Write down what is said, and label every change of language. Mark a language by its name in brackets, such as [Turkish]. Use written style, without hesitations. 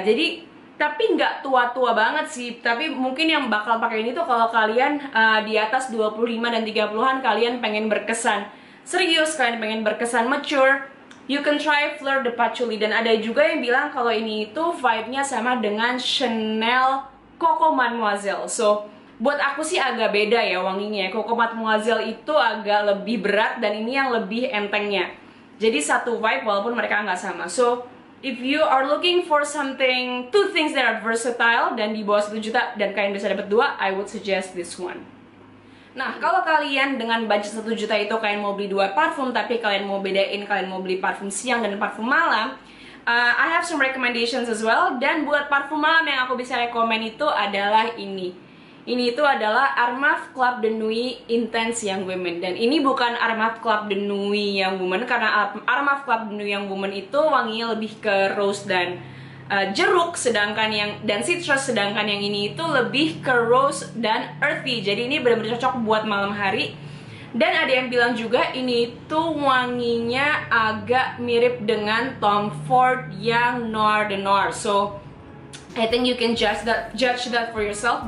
[Indonesian] Jadi tapi nggak tua-tua banget sih. Tapi mungkin yang bakal pakai ini tuh kalau kalian di atas 25 dan 30-an, kalian pengen berkesan serius, kalian pengen berkesan mature, [English] you can try [Indonesian] Fleur de Patchouli. Dan ada juga yang bilang kalau ini itu vibe-nya sama dengan Chanel Coco Mademoiselle. So, buat aku sih agak beda ya wanginya. Coco Mademoiselle itu agak lebih berat dan ini yang lebih entengnya. Jadi satu vibe walaupun mereka nggak sama. [English] So, if you are looking for something, two things that are versatile [Indonesian] dan di bawah 1 juta dan kalian bisa dapat 2, [English] I would suggest this one. [Indonesian] Nah, kalau kalian dengan budget 1 juta itu kalian mau beli 2 parfum, tapi kalian mau bedain, kalian mau beli parfum siang dan parfum malam, [English] I have some recommendations as well. [Indonesian] Dan buat parfum malam yang aku bisa rekomen itu adalah ini. Ini itu adalah Armaf Club de Nuit Intense Young Women. Dan ini bukan Armaf Club de Nuit Young Women, karena Armaf Club de Nuit Young Women itu wanginya lebih ke rose dan jeruk, sedangkan yang dan citrus, sedangkan yang ini itu lebih ke rose dan earthy. Jadi ini benar-benar cocok buat malam hari. Dan ada yang bilang juga ini itu wanginya agak mirip dengan Tom Ford yang Noir de Noir. [English] So I think you can judge that for yourself.